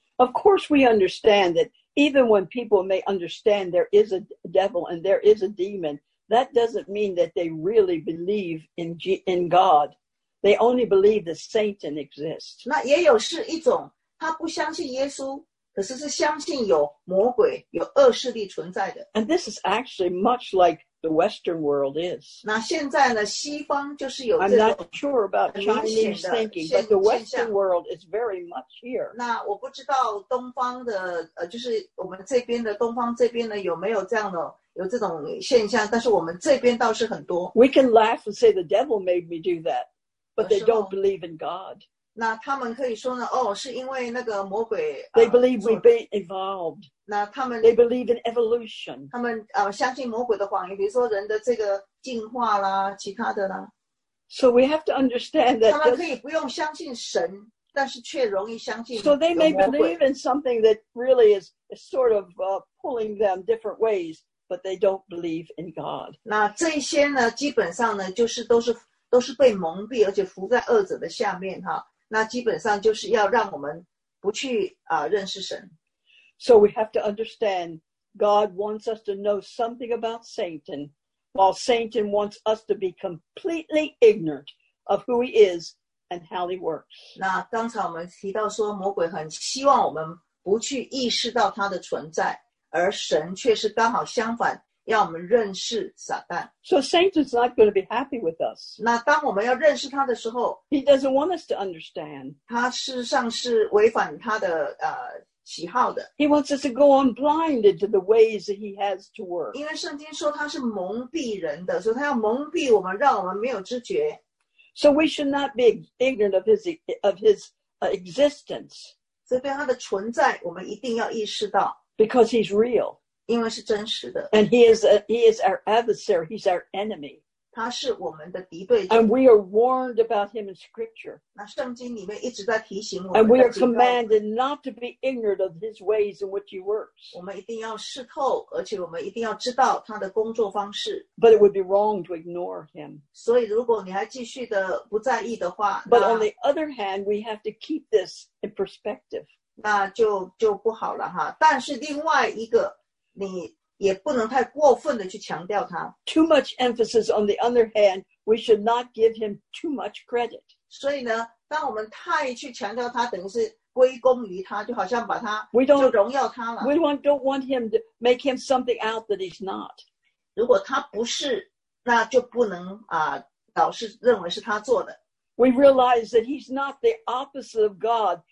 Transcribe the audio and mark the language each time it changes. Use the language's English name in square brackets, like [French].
[English] Of course we understand that even when people may understand there is a devil and there is a demon, that doesn't mean that they really believe in God. They only believe that Satan exists. [Chinese] 那也有是一种，他不相信耶稣，可是是相信有魔鬼，有恶势力存在的。 [English] And this is actually much like the Western world is. [Chinese] 那现在呢，西方就是有这种。 [English] I'm not sure about Chinese thinking, but the Western world is very much here. [Chinese] 那我不知道东方的就是我们这边的东方这边呢有没有这样的有这种现象，但是我们这边倒是很多。 [English] We can laugh and say the devil made me do that, but they don't believe in God. [Chinese] 那他们可以说呢，是因为那个魔鬼。 [English] They believe we've been evolved. [Chinese] 那他们。 [English] They believe in evolution. [Chinese] 他们相信魔鬼的谎言，比如说人的这个进化啦，其他的啦。 [English] So we have to understand that. [Chinese] 他们可以不用相信神，但是却容易相信。 [English] So they may believe in something that really is sort of pulling them different ways, but they don't believe in God. [Chinese] 那这些呢，基本上呢，就是都是被蒙蔽，而且伏在恶者的下面哈。那基本上就是要让我们不去认识神。 [English] So we have to understand God wants us to know something about Satan, while Satan wants us to be completely ignorant of who he is and how he works. [Chinese] 那刚才我们提到说，魔鬼很希望我们不去意识到他的存在，而神却是刚好相反，要我们认识撒旦。 [English] So Satan's not going to be happy with us. [Chinese] 那当我们要认识他的时候， [English] He doesn't want us to understand. [Chinese] 他事实上是违反他的喜好的。 [English] He wants us to go on blinded to the ways that he has to work. [Chinese] 因为圣经说他是蒙蔽人的，所以他要蒙蔽我们，让我们没有知觉。 [English] So we should not be ignorant of his existence. [Chinese] 所以对他的存在，我们一定要意识到。 [English] Because he's real. [Chinese] 因为是真实的。 [English] And he is our adversary, he's our enemy. [Chinese] 他是我们的敌对。 [English] And we are warned about him in scripture. [Chinese] 那圣经里面一直在提醒我们。 [English] And we are commanded not to be ignorant of his ways in which he works. [Chinese] 我们一定要试透，而且我们一定要知道他的工作方式。 [English] But it would be wrong to ignore him. [Chinese] 所以如果你还继续的不在意的话。 [English] But on the other hand, we have to keep this in perspective. [Chinese] 那就不好了哈。但是另外一个。你也不能太过分的去强调他。 [English] Too much emphasis on the other hand, we should not give him too much credit. [Chinese] 所以呢，当我们太去强调他，等于是归功于他，就好像把他就荣耀他了。 [English] We don't want him to make him something out that he's not. [Chinese] 如果他不是，那就不能老是认为是他做的。 [English] We realize that he's not the opposite of God.